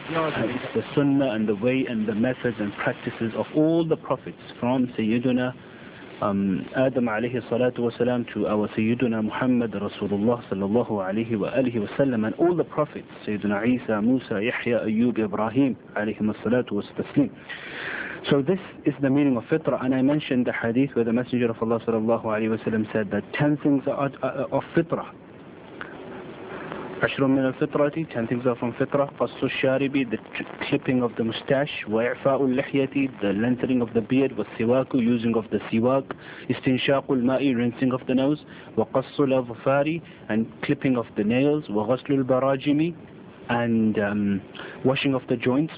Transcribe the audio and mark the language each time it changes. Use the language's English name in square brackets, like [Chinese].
[English] And it's the sunnah and the way and the methods and practices of all the prophets, from Sayyiduna Adam alayhi salatu wasalam to our Sayyiduna Muhammad Rasulullah sallallahu alayhi wa alihi wasallam, and all the prophets, Sayyiduna Isa, Musa, Yahya, Ayyub, Ibrahim alayhi salatu wasalam. So this is the meaning of fitrah, and I mentioned the hadith where the Messenger of Allah sallallahu alayhi wasalam said that 10 things are of fitrah. [Arabic] عشر من الفطرة، [English] 10 things are from فطرة. [Arabic] قص الشارب، [English] the clipping of the mustache. [Arabic] وإعفاء اللحية، [English] the lengthening of the beard. [Arabic] والسواك، [English] using of the سواك. [Arabic] استنشاق الماء، [English] rinsing of the nose. [Arabic] وقص الأظفار، [English] and clipping of the nails. [Arabic] وغسل البراجم، [English] and washing of the joints.